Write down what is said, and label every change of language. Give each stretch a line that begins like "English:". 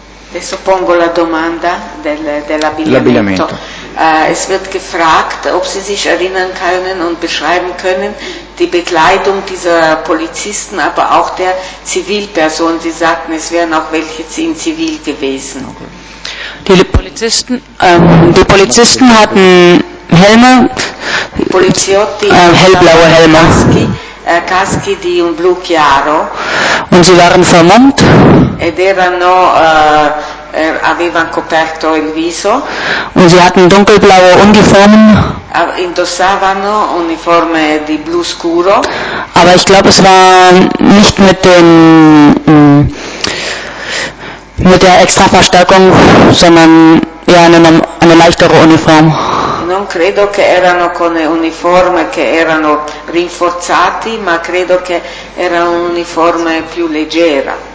Italian: Adesso pongo la domanda dell'abbigliamento.
German: Es wird gefragt, ob Sie sich erinnern können und beschreiben können, die Bekleidung dieser Polizisten, aber auch der Zivilperson. Sie sagten, es wären auch welche in Zivil gewesen. Okay. Die Polizisten hatten Helme, hellblaue Helme.
Italian: Caschi di un blu chiaro.
German: Und sie waren vermummt.
Italian: Ed erano... avevano coperto il viso.
German: Und sie hatten dunkelblaue Uniformen.
Italian: Indossavano uniforme di blu scuro.
German: Aber ich glaube, es war nicht mit dem mit der Extraverstärkung, sondern eher eine leichtere Uniform.
Italian: Non credo che erano con uniforme che erano rinforzati, ma credo che era un'uniforme più leggera.